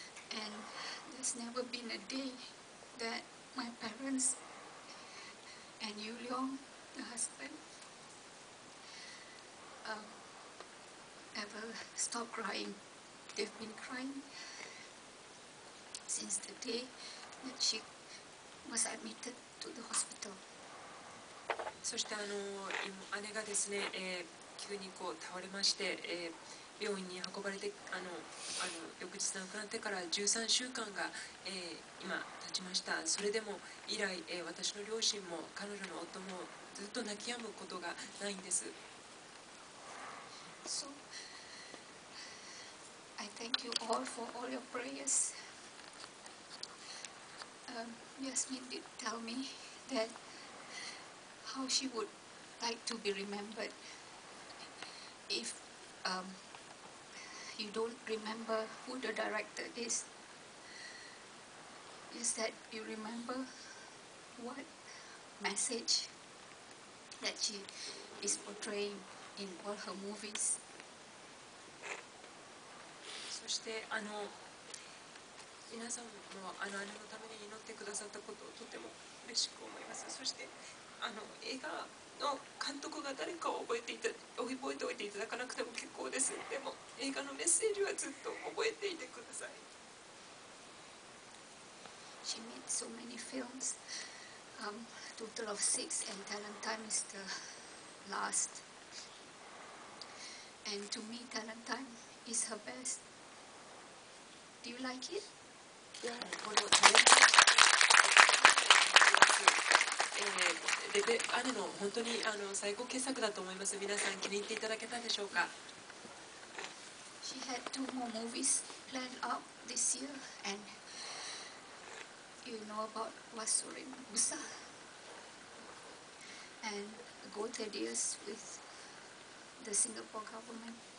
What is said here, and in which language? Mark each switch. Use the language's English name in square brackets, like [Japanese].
[English] And there's never been a day that my parents and Yulio, the husband, ever stop crying. They've been crying since the day that she was admitted to the hospital. [Japanese] そして姉がですね、急にこう倒れまして、病院に運ばれて翌日亡くなってから13週間が、今経ちました。それでも以来、私の両親も彼女の夫もずっと泣き止むことがないんです。 [English] So I thank you all for all your prayers. Yasmin did tell me that how she would like to be remembered if you don't remember who the director is. Is that you remember what message that she is portraying in all her movies? [Japanese] そして皆さんも姉のために祈ってくださったことをとても嬉しく思います。そして映画の監督が誰かを覚えておいていただかなくても結構です。でも映画のメッセージはずっと覚えていてください。 [English] She made so many films, total of 6, and Talent Time is the last. And to me, Talent Time is her bestDo you like it? Yeah. [Japanese] このタレントタイムです。姉の本当に最高傑作だと思います。皆さん気に入っていただけたでしょうか。 [English] She had two more movies planned up this year and you know about Wasuri Musa and Go The Deals with the Singapore government